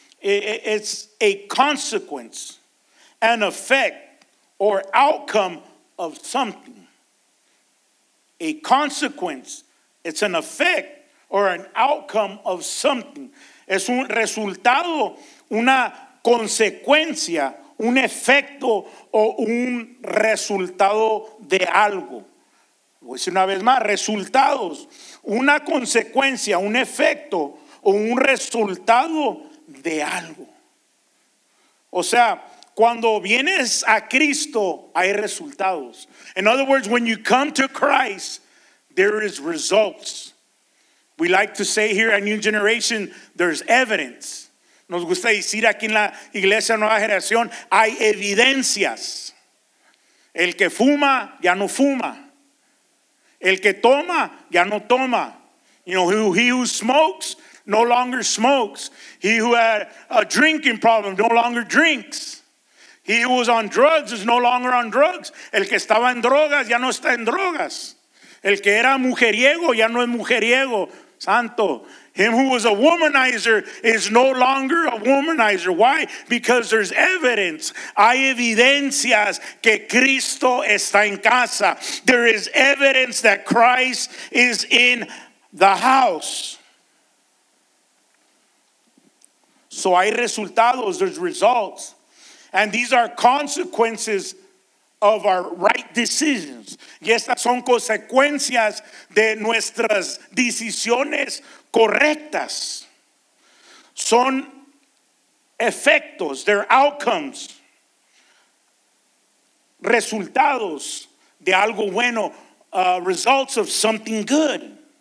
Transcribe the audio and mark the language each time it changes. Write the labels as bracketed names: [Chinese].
[English] It's a consequence, an effect, or outcome of something. A consequence. It's an effect or an outcome of something. [Spanish] Es un resultado, una consecuencia, un efecto o un resultado de algo. Voy a decir una vez más, resultados, una consecuencia, un efecto o un resultado de algo. O sea, cuando vienes a Cristo, hay resultados. [English] In other words, when you come to Christ, there is results. We like to say here at New Generation, there's evidence. [Spanish] Nos gusta decir aquí en la iglesia Nueva Generación, hay evidencias. El que fuma, ya no fuma. El que toma, ya no toma. [English] You know, he who smokes, no longer smokes. He who had a drinking problem, no longer drinks. He who was on drugs is no longer on drugs. [Spanish] El que estaba en drogas, ya no está en drogas. El que era mujeriego, ya no es mujeriego. [English] Santo, him who was a womanizer is no longer a womanizer. Why? Because there's evidence. [Spanish] Hay evidencias que Cristo está en casa. [English] There is evidence that Christ is in the house. So [Spanish] hay resultados, [English] there's results. And these are consequences of our right decisions. [Spanish] Y estas son consecuencias de nuestras decisiones correctas. Son efectos, [English] their outcomes, [Spanish] resultados de algo bueno, [English] results of something good.